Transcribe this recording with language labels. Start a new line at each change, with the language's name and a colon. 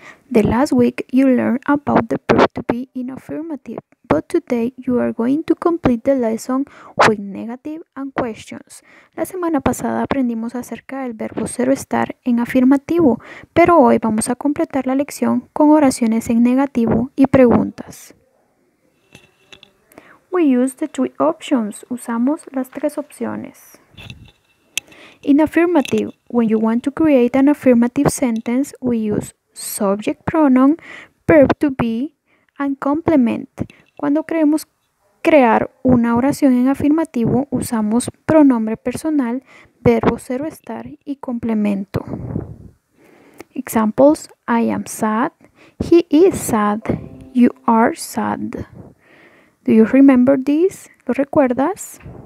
English: The last week you learned about the verb to be in affirmative, but today you are going to complete the lesson with negative and questions.
Spanish: La semana pasada aprendimos acerca del verbo ser o estar en afirmativo, pero hoy vamos a completar la lección con oraciones en negativo y preguntas.
English: We use the three options.
Spanish: Usamos las tres opciones.
English: In affirmative, when you want to create an affirmative sentence, we use subject pronoun, verb to be, and complement.
Spanish: Cuando queremos crear una oración en afirmativo, usamos pronombre personal, verbo ser o estar y complemento.
English: Examples: I am sad, he is sad, you are sad. Do you remember this?
Spanish: ¿Lo recuerdas?